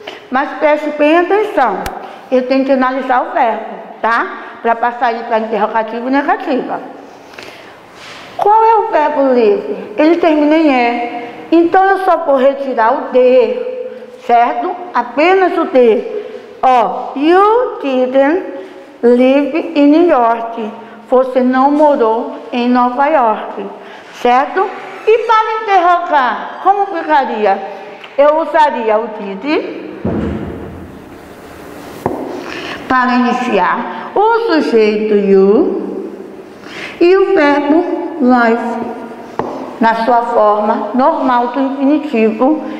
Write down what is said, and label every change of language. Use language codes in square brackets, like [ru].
[pt] Mas preste bem atenção, eu tenho que analisar o verbo, tá? Para passar ele para interrogativa e negativa. Qual é o verbo livre? Ele termina em E. Então, eu só vou retirar o D. Certo? Apenas o D. [en] Ó, you didn't live in New York. [pt] Você não morou em Nova York. Certo? E para interrogar, como ficaria? Eu usaria o did para iniciar o sujeito you e o verbo life na sua forma normal do infinitivo.